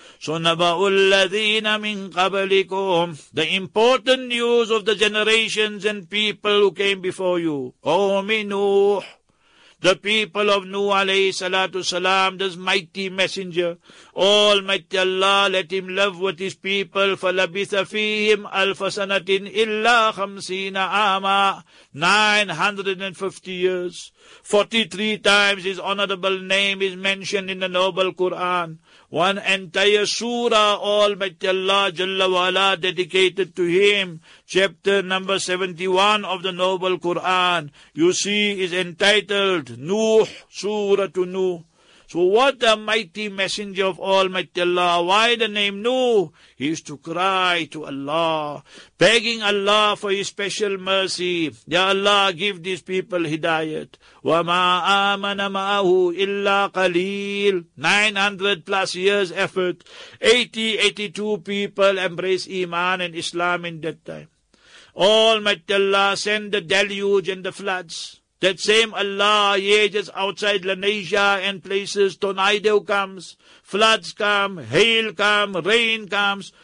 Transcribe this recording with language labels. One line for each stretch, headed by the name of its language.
English: So
Arabic: naba'ul ladhina min qablikum,
English: the important news of the generations and people who came before you. O Nuh, the people of Nuh alayhi salatu salam, this mighty messenger, Almighty Allah, let him live with his people.
Arabic: فَلَبِثَ فِيهِمْ أَلْفَسَنَةٍ إِلَّا خَمْسِينَ آمَا,
English: 950 years. 43 times his honorable name is mentioned in the noble Quran. One entire surah, Almighty Allah Jalla wa Ala, dedicated to him. Chapter number 71 of the noble Quran, you see, is entitled Nuh, Surah to Nuh. So what a mighty messenger of Almighty Allah. Why the name Nuh? He used to cry to Allah, begging Allah for his special mercy. Ya Allah, give these people hidayat.
Arabic: وَمَا آمَنَ مَعَهُ إِلَّا قَلِيلٌ,
English: 900 plus years effort. 82 people embrace Iman and Islam in that time. Almighty Allah send the deluge and the floods. That same Allah, ages outside Lanesia and places, tornado comes, floods come, hail come, rain comes.